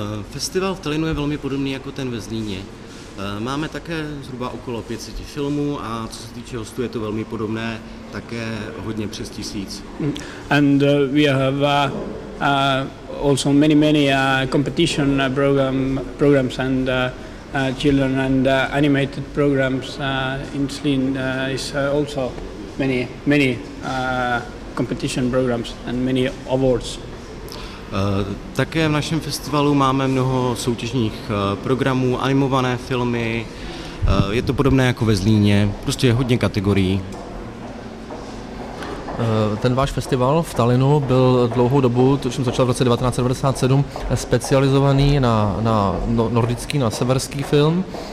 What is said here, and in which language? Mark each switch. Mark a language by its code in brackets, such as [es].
[cs] Festival v Tallinnu je velmi podobný jako ten ve Zlíně. Máme také zhruba okolo 500 filmů a co se týče hostů, je to velmi podobné, také hodně přes 1,000. [en] And we have also many competition programs and children and animated programs in Zlín is also many competition programs and many awards. [cs] Také v našem festivalu máme mnoho soutěžních programů, animované filmy, je to podobné jako ve Zlíně, prostě je hodně kategorií. Ten váš festival v Tallinnu byl dlouhou dobu, tuším začal v roce 1997, specializovaný na nordický, na severský film.